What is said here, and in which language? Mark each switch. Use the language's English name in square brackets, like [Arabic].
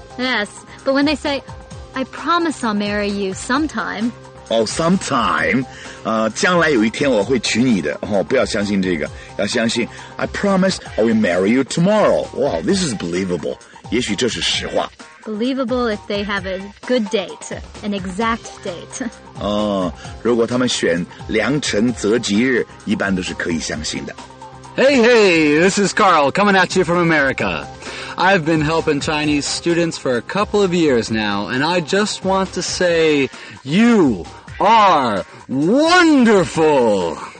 [English] Yes, but when they say, I promise I'll marry you sometime. Sometime. [Chinese] 将来有一天我会娶你的。不要相信这个。要相信 [English] I promise I will marry you tomorrow. This is believable. [Chinese] 也许这是实话。 [English] Believable if they have a good date, an exact date. [Chinese] 如果他们选良辰择吉日，一般都是可以相信的。 [English] Hey, hey, this is Carl coming at you from America. I've been helping Chinese students for a couple of years now, and I just want to say you are wonderful.